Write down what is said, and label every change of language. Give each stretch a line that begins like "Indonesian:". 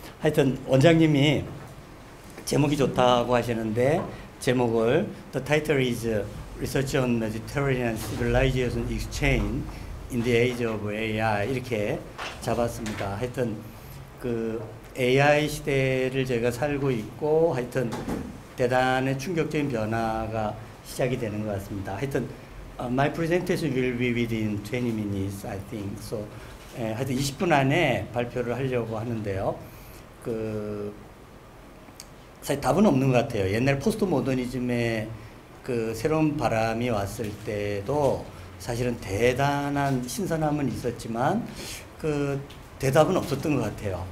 Korean: 하여튼 원장님이 제목이 좋다고 하시는데 제목을 The
English: title is Research on Mediterranean Civilization Exchange in the Age of AI
Korean: 이렇게 잡았습니다. 하여튼 그 AI 시대를 저희가 살고 있고 하여튼 대단히 충격적인 변화가 시작이 되는 것 같습니다. 하여튼
English: my presentation will be within 20 minutes, I think.
Korean: So 하여튼 20분 안에 발표를 하려고 하는데요. 그 사실 답은 없는 것 같아요. 옛날 포스트 모더니즘의 그 새로운 바람이 왔을 때도 사실은 대단한 신선함은 있었지만 그 대답은 없었던 것 같아요.